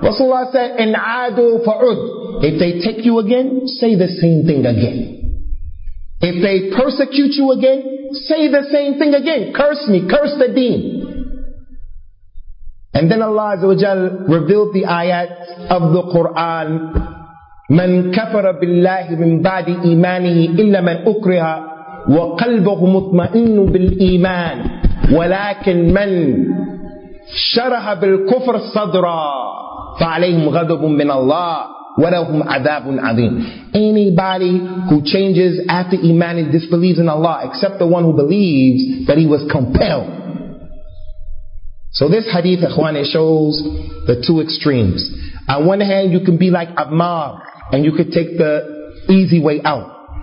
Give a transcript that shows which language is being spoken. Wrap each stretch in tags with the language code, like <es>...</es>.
<en>Rasulullah said,</en> <ar>إن عادوا فعد.</ar> <en>If they take you again, say the same thing again. If they persecute you again, say the same thing again. Curse me, curse the deen. And then Allah Azza wa Jal revealed the ayat of the Quran,</en> <ar>مَنْ كَفَرَ بِاللَّهِ مِنْ بَعْدِ إِيمَانِهِ إِلَّا مَنْ أُكْرِهَ وَقَلْبُهُ مُطْمَئِنُّ بِالْإِيمَانِ وَلَكِنْ مَنْ شَرَحَ بِالْكُفْرِ صَدْرًا فَعَلَيْهِمْ غَضَبٌ مِنَ اللَّهِ وَلَهُمْ عَذَابٌ عَظِيمٌ.</ar> <en>Anybody who changes after iman and disbelieves in Allah, except the one who believes that he was compelled. So this hadith, ikhwan, it shows the two extremes. On one hand, you can be like Ammar, and you could take the easy way out.</en>